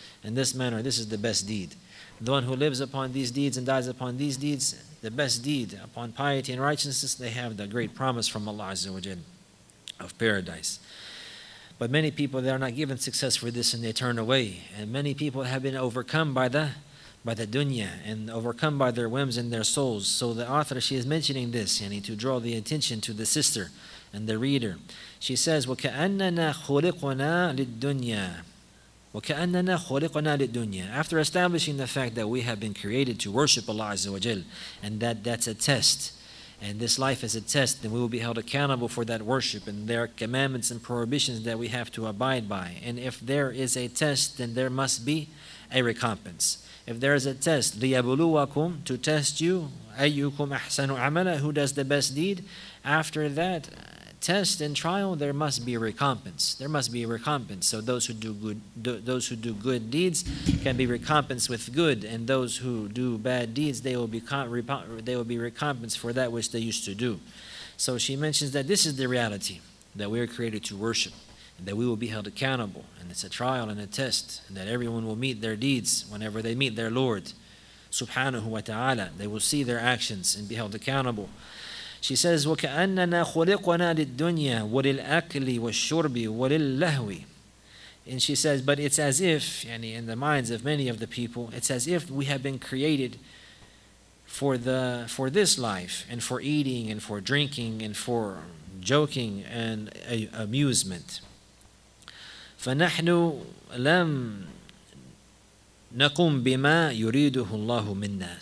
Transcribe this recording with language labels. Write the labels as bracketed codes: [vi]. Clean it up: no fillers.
[en] In this manner, this is the best deed. The one who lives upon these deeds and dies upon these deeds, the best deed upon piety and righteousness, they have the great promise from Allah Azza wa Jalla of paradise. But many people, they are not given success for this, and they turn away. And many people have been overcome by the dunya and overcome by their whims and their souls. So the author, she is mentioning this, yani, to draw the attention to the sister and the reader. She says, [ar] وَكَأَنَّنَا خُلِقُنَا لِلدُّنْيَا وَكَأَنَّنَا خُلِقُنَا لِلدُّنْيَا. [en] After establishing the fact that we have been created to worship Allah Azza wa Jal, and that's a test, and this life is a test, then we will be held accountable for that worship, and there are commandments and prohibitions that we have to abide by. And if there is a test, then there must be a recompense. If there is a test, [ar] لِيَبُلُوَكُمْ, [en] to test you, [ar] أَيُّكُمْ أَحْسَنُ عَمَلًا, [en] who does the best deed, after that test and trial, there must be a recompense. There must be a recompense. So those who do good deeds can be recompensed with good, and those who do bad deeds, they will be recompensed for that which they used to do. So she mentions that this is the reality, that we are created to worship, and that we will be held accountable, and it's a trial and a test, and that everyone will meet their deeds whenever they meet their Lord, subhanahu wa ta'ala. They will see their actions and be held accountable. She says, [ar] وَكَأَنَّنَا خُلِقْنَا لِلدُّنْيَا وَلِلْأَكْلِ وَالشُّرْبِ وَلِلْلَهْوِ. [en] And she says, but it's as if, yani, in the minds of many of the people, it's as if we have been created for this life and for eating and for drinking and for joking and amusement. [ar] فَنَحْنُ لَمْ نَقُمْ بِمَا يُرِيدُهُ اللَّهُ مِنَّا.